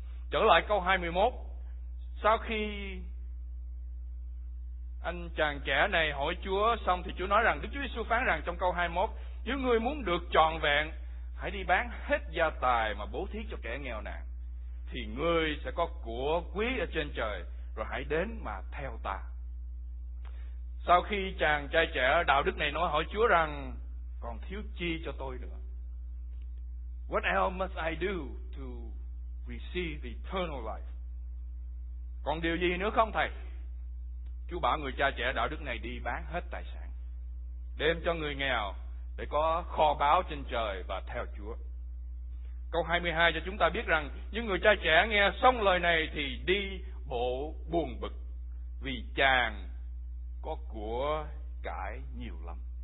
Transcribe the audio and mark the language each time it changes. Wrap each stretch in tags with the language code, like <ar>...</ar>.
<vi>Trở lại câu 21, sau khi anh chàng trẻ này hỏi Chúa xong thì Chúa nói rằng, Đức Chúa Giêsu phán rằng trong câu 21, nếu ngươi muốn được trọn vẹn, hãy đi bán hết gia tài mà bố thí cho kẻ nghèo nàn, thì ngươi sẽ có của quý ở trên trời, rồi hãy đến mà theo ta. Sau khi chàng trai trẻ đạo đức này nói hỏi Chúa rằng, còn thiếu chi cho tôi nữa?</vi> <en>What else must I do to receive eternal life?</en> <vi>Còn điều gì nữa không thầy? Chúa bảo người cha trẻ đạo đức này đi bán hết tài sản, đem cho người nghèo để có kho báu trên trời và theo Chúa. Câu 22 cho chúng ta biết rằng, những người cha trẻ nghe xong lời này thì đi bộ buồn bực vì chàng có của cải nhiều lắm.</vi>